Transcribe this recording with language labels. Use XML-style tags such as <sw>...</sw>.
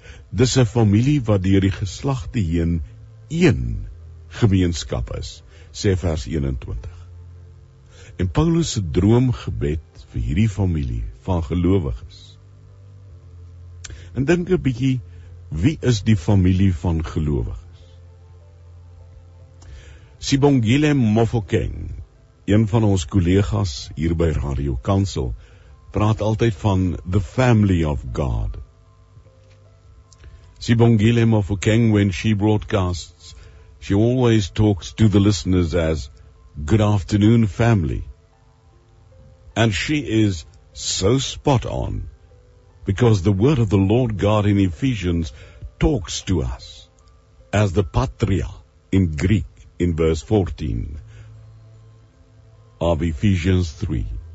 <af>Dis 'n familie wat deur die geslagte heen een gemeenskap is, sê vers 21. En Paulus se droomgebed vir hierdie familie van gelowiges. En dink 'n bietjie Wie is die familie van gelowiges? Sibongile Mofokeng, een van ons collega's hier by Radio Kansel, praat altyd van the family of God.</af> <en>Sibongile Mofokeng, when she broadcasts, she always talks to the listeners as good afternoon family. And she is so spot on, because the word of the Lord God in Ephesians talks to us as the patria in Greek in verse 14 of Ephesians 3.</en>